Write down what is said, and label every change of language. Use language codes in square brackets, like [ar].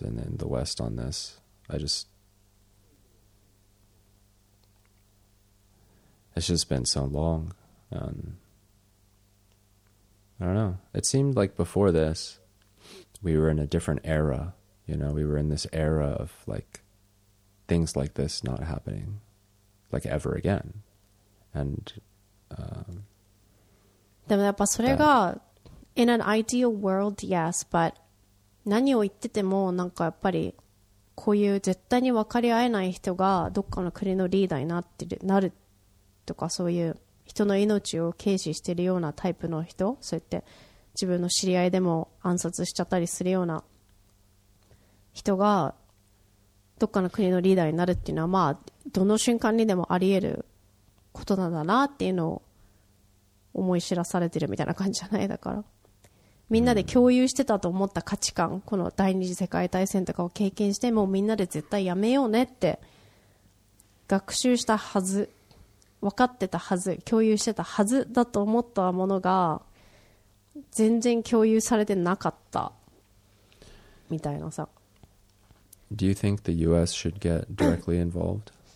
[en] and in the West on this. It's just been so long. I don't know. It seemed like before this, we were in a different era. You know, we were in this era of like things like this not happening, like ever again. And, [ja] でもやっぱそれが [en] in an ideal world, yes, but [ja] 何を言っててもなんかやっぱりこういう絶対に分かり合えない人がどっかの国のリーダーになってるなるとか、そういう人の命を軽視してるようなタイプの人、そうやって自分の知り合いでも暗殺しちゃったりするような人がどっかの国のリーダーになるっていうのは、まあどの瞬間にでもあり得ることなんだなっていうのを思い知らされてるみたいな感じじゃない。だからみんなで共有してたと思った価値観、この第二次世界大戦とかを経験して、もうみんなで絶対やめようねって学習したはず、分かってたはず、共有してたはずだと思ったものが全然共有されてなかったみたいなさ。 [en] Do you think the US should get directly involved?